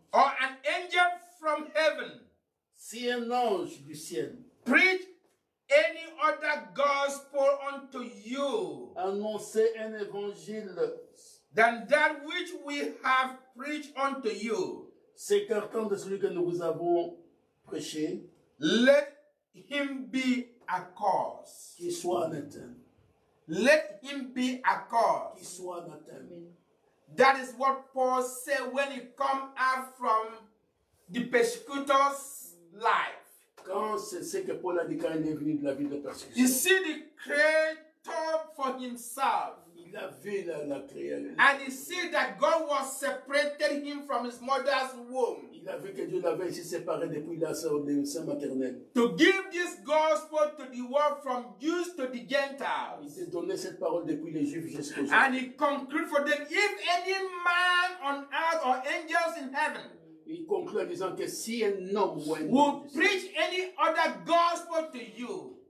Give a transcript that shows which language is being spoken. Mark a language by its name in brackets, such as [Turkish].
[English] or an angel from heaven. [French] Si un ange du ciel. [English] Preach any other gospel unto you. [French] Annoncez un évangile. [English] Than that which we have preached unto you. [French] C'est qu'un de celui que nous vous avons prêché. [English] Let him be accursed. [French] Qu'il soit anathème. [English] Let him be accursed. [French] Qu'il soit anathème. [English] That is what Paul said when he come out from the persecutor's life. [French] Quand c'est que Paul a dit quand il est venu de la ville de persécution. [English] He see the creator for himself. [French] Il a vu la créature. [English] And he see that God was separated him from his mother's womb. [French] Il a vu que Dieu l'avait ici séparé depuis la sein maternel. [English] To give this gospel to the world from Jews to the Gentiles. [French] Il s'est donné cette parole depuis les Juifs jusqu'aux Gentiles. [English] And he conclude for them, if any man on earth or angels in heaven. [French] Il conclut en disant que si un homme ou un [English] will preach any other gospel to you.